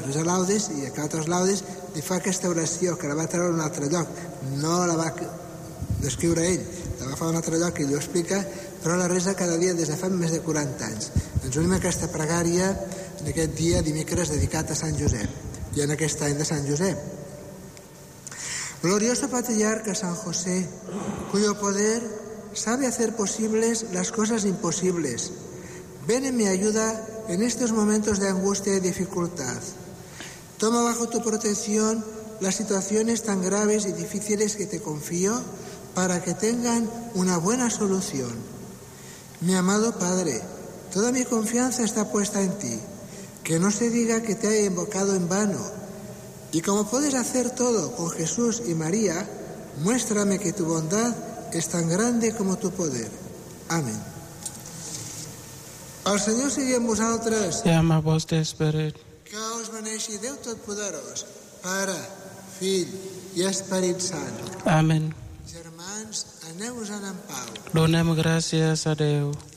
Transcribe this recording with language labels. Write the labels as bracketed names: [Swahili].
[Catalan] Resa Laudes i acaba tots Laudes i fa aquesta oració, que la va treure a un altre lloc. No la va descriure ell, la va fer a un altre lloc i ho explica, però la resa cada dia des de fa més de 40 anys. Ens unim a aquesta pregària en aquest dia dimecres dedicat a Sant Josep i en aquest any de Sant Josep. [Spanish] Glorioso patriarca San José, cuyo poder sabe hacer posibles las cosas imposibles, ven en mi ayuda en estos momentos de angustia y dificultad. Toma bajo tu protección las situaciones tan graves y difíciles que te confío para que tengan una buena solución. Mi amado Padre, toda mi confianza está puesta en ti. Que no se diga que te he invocado en vano. Y como puedes hacer todo con Jesús y María, muéstrame que tu bondad es tan grande como tu poder. Amén. [Catalan] El Senyor sigui amb vosaltres. I amb el vostre esperit. Que us beneixi Déu Totpoderós, Pare, Fill i Esperit Sant. Amén. Germans, aneu-vos-en en pau. Donem gràcies a Déu.